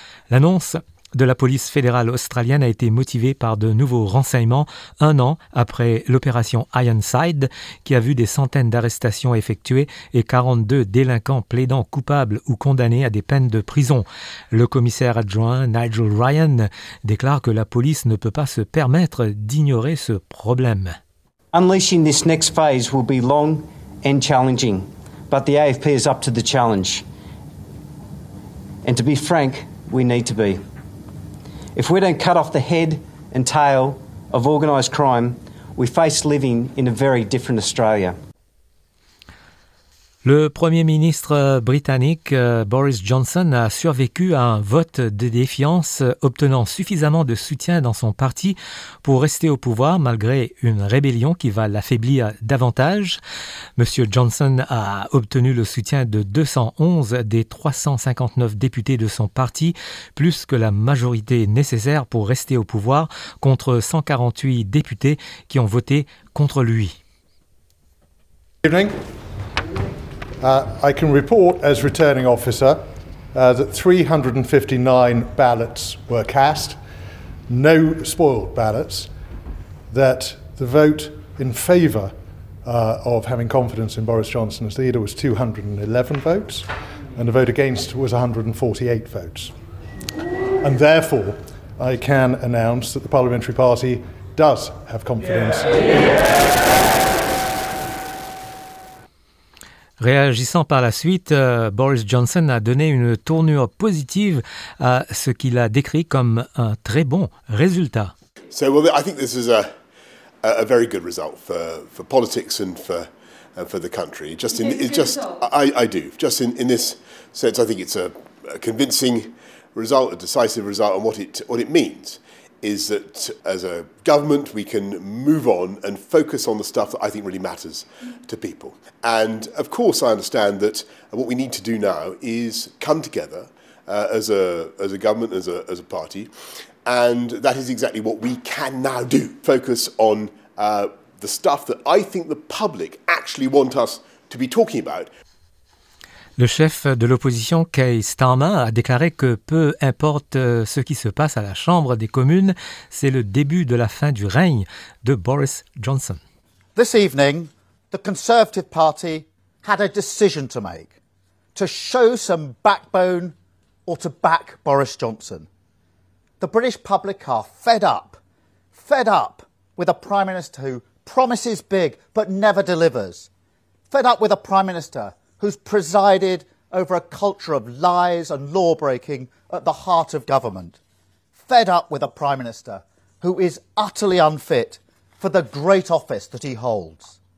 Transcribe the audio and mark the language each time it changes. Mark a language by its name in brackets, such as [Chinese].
[French] L'annonce de la police fédérale australienne a été motivée par de nouveaux renseignements un an après l'opération Ironside, qui a vu des centaines d'arrestations effectuées et 42 délinquants plaidant coupables ou condamnés à des peines de prison. Le commissaire adjoint Nigel Ryan déclare que la police ne peut pas se permettre d'ignorer ce problème. [English] Unleashing this next phase will be long and challenging, but the AFP is up to the challenge. And to be frank, we need to be. If we don't cut off the head and tail of organized crime, we face living in a very different Australia. [French] Le Premier ministre britannique Boris Johnson a survécu à un vote de défiance, obtenant suffisamment de soutien dans son parti pour rester au pouvoir malgré une rébellion qui va l'affaiblir davantage. Monsieur Johnson a obtenu le soutien de 211 des 359 députés de son parti, plus que la majorité nécessaire pour rester au pouvoir contre 148 députés qui ont voté contre lui. [English] Good evening. I can report as returning officer that 359 ballots were cast, no spoiled ballots, that the vote in favour of having confidence in Boris Johnson as leader was 211 votes, and the vote against was 148 votes. And therefore, I can announce that the Parliamentary Party does have confidence. Yeah. [French] Réagissant par la suite, Boris Johnson a donné une tournure positive à ce qu'il a décrit comme un très bon résultat. [English] So well, I think this is a very good result for politics and for the country. Just in it's just I do. Just in this sense, I think it's a convincing result, a decisive result, and what it means is that as a government we can move on and focus on the stuff that I think really matters to people. And of course I understand that what we need to do now is come together as a government, as a party, and that is exactly what we can now do. Focus on the stuff that I think the public actually want us to be talking about. [French] Le chef de l'opposition, Keir Starmer, a déclaré que peu importe ce qui se passe à la Chambre des communes, c'est le début de la fin du règne de Boris Johnson. [English] This evening, the Conservative Party had a decision to make, to show some backbone or to back Boris Johnson. The British public are fed up with a Prime Minister who promises big but never delivers, fed up with a Prime Minister who's presided over a culture of lies and law-breaking at the heart of government, fed up with a Prime Minister who is utterly unfit for the great office that he holds.